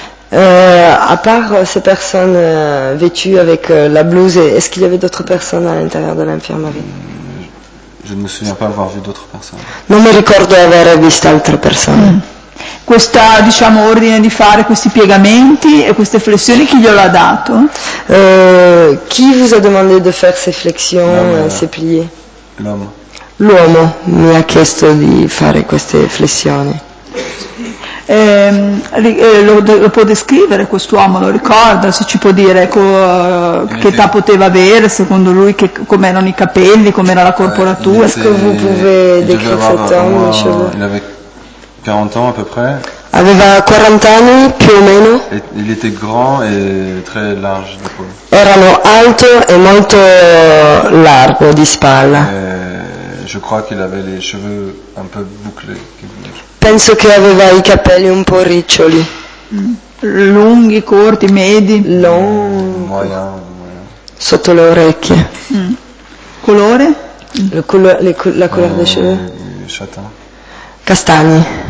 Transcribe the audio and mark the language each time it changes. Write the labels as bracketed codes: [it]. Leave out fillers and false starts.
[fr] A part ces personnes vêtues avec la blouse, est-ce qu'il y avait d'autres personnes à l'intérieur de l'infirmerie? Je ne me souviens pas avoir vu d'autres personnes. [it] Non mi ricordo di aver visto altre persone. Questa, diciamo, ordine di fare questi piegamenti e queste flessioni, chi glielo ha dato? [fr] Chi vous a demandé de faire ces flexions, ces pliés? [it] L'uomo. L'uomo mi ha chiesto di fare queste flessioni. Lo può descrivere quest'uomo, lo ricorda, se ci può dire che età poteva avere secondo lui, come erano i capelli, come era la corporatura? [fr] Est-ce que vous pouvez décrire cet homme, monsieur? 40 ans à peu près. [it] Aveva 40 anni più o meno. [fr] Il était grand et très large de poids. [it] Erano alto e molto largo di spalla. [fr] Je crois qu'il avait les cheveux un peu bouclés. [it] Penso che aveva i capelli un po' riccioli. Lunghi, corti, medi. [fr] Moyen. [it] Sotto le orecchie. Colore? La colore dei cheveux? [fr] Châtain. [it] Castagni.